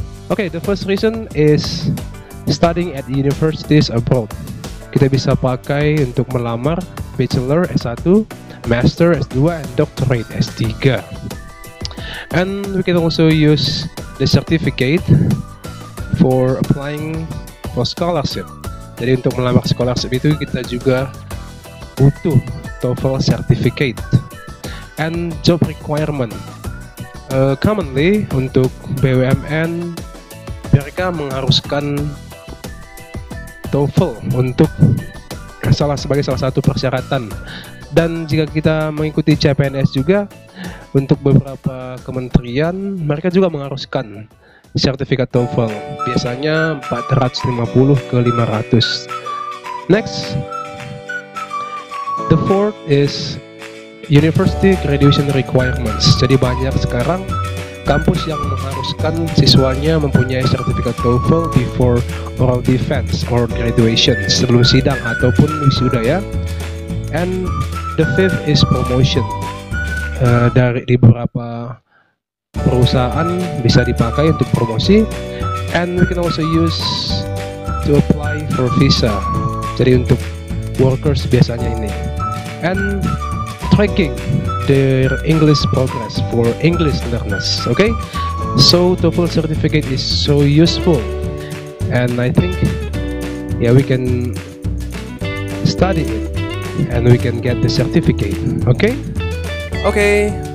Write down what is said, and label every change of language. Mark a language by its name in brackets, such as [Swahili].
[English] Okay, the first reason is studying at universities abroad. [Indonesian] Kita bisa pakai untuk melamar [English] bachelor S1, master S2, and doctorate S3. And we can also use the certificate for applying for scholarship. [Indonesian] Jadi untuk melamar scholarship itu kita juga butuh TOEFL certificate. [English] And job requirement. Commonly [Indonesian] untuk BUMN, mereka mengharuskan TOEFL untuk sebagai salah satu persyaratan. Dan jika kita mengikuti CPNS juga, untuk beberapa kementerian mereka juga mengharuskan sertifikat TOEFL, biasanya 450 ke 500. [English] Next, the fourth is university graduation requirements. [Indonesian] Jadi banyak sekarang kampus yang mengharuskan siswanya mempunyai sertifikat TOEFL [English] before oral defense or graduation, [Indonesian] sebelum sidang ataupun wisuda ya. [English] And the fifth is promotion. [Indonesian] Dari di beberapa perusahaan bisa dipakai untuk promosi. [English] And we can also use to apply for visa. [Indonesian] Jadi untuk workers biasanya ini. [English] And tracking their English progress for English learners. Okay, so TOEFL certificate is so useful, and I think we can study it and we can get the certificate. Okay,